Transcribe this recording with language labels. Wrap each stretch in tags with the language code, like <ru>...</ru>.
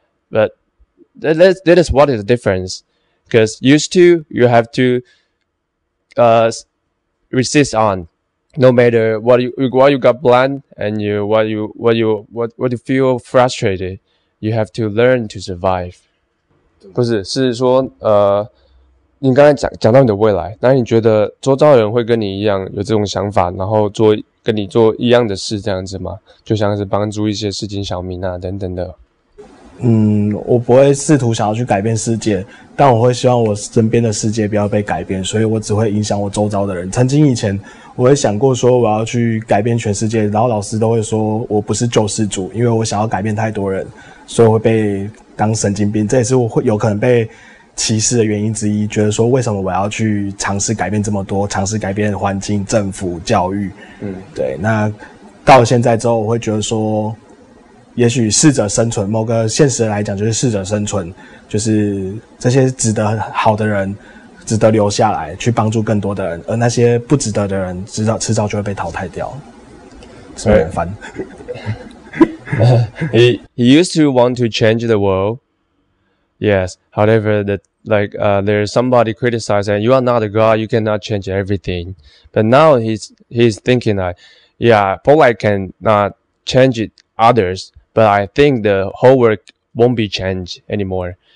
<en>But that is what is the difference. Because used to, you have to, resist on. No matter what you got blamed, and what you feel frustrated, you have to learn to survive.</en> <zh>不是，是说，你刚才讲到你的未来，那你觉得周遭的人会跟你一样有这种想法，然后做跟你做一样的事这样子吗？就像是帮助一些市井小民啊等等的。嗯，我不会试图想要去改变世界，但我会希望我身边的世界不要被改变，所以我只会影响我周遭的人。曾经以前，我会想过说我要去改变全世界，然后老师都会说我不是救世主，因为我想要改变太多人，所以我会被当神经病，这也是我会有可能被歧视的原因之一。觉得说为什么我要去尝试改变这么多，尝试改变环境、政府、教育，对。那到了现在之后，我会觉得说，也许适者生存，某个现实来讲就是适者生存，就是这些值得好的人值得留下来去帮助更多的人，而那些不值得的人迟早就会被淘汰掉。是不是很烦？</zh> <en>he used to want to change the world. Yes. However, there's somebody criticizing, you are not a god, you cannot change everything. But now he's thinking like, yeah, probably cannot change it others, but I think the whole world won't be changed anymore.</en>